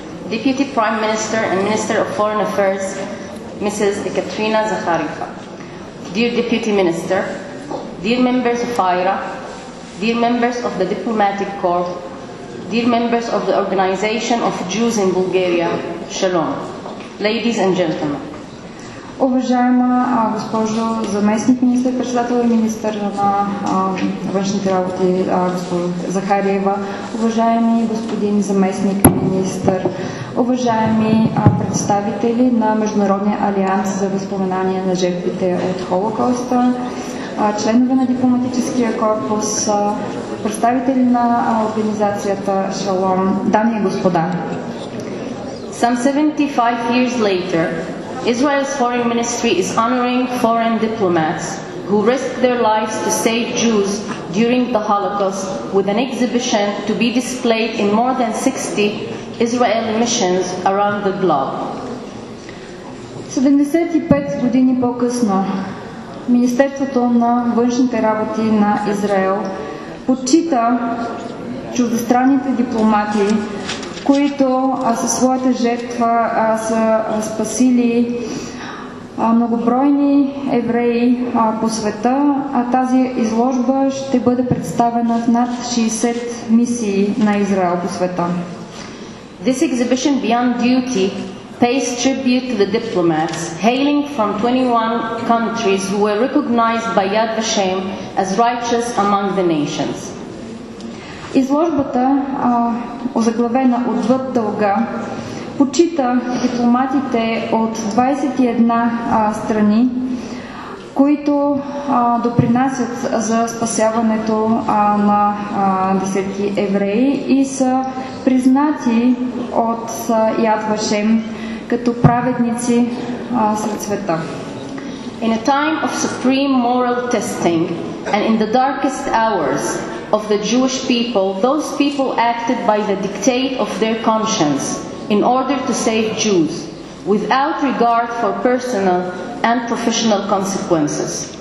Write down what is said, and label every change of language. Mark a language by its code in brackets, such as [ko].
[en] Deputy Prime Minister and Minister of Foreign Affairs, Mrs. Ekaterina Zakharova. Dear Deputy Minister, dear members of AIRA, dear members of the Diplomatic Corps, dear members of the Organization of Jews in Bulgaria, Shalom. Ladies and gentlemen. [bg] Уважаема госпожо заместник министър-председател и министър на външните работи госпожо Захариева, уважаеми господин заместник министър, уважаеми представители на Международния алианс за възпоменание на жертвите от Холокоста, членове на дипломатическия корпус, представители на организацията Шалом, дами и господа. [en] Some 75 years later, Israel's foreign ministry is honoring foreign diplomats who risked their lives to save Jews during the Holocaust with an exhibition to be displayed in more than 60 Israeli missions around the globe. [bg] 75 години по-късно Министерството на външните работи на Израел почита чуждестранните дипломати, които със своята жертва са спасили многобройни евреи по света, а тази изложба ще бъде представена в над 60 мисии на Израел по света. [en] This exhibition Beyond Duty pays tribute to the diplomats hailing from 21 countries who were recognized by Yad Vashem as righteous among the nations. [bg] Изложбата, озаглавена Отвъд дълга, почита дипломатите от 21 страни, които допринасят за спасяването на десетки евреи и са признати от Яд Вашем като праведници сред света. [en] In a time of supreme moral testing and in the darkest hours of the Jewish people, those people acted by the dictate of their conscience in order to save Jews without regard for personal and professional consequences.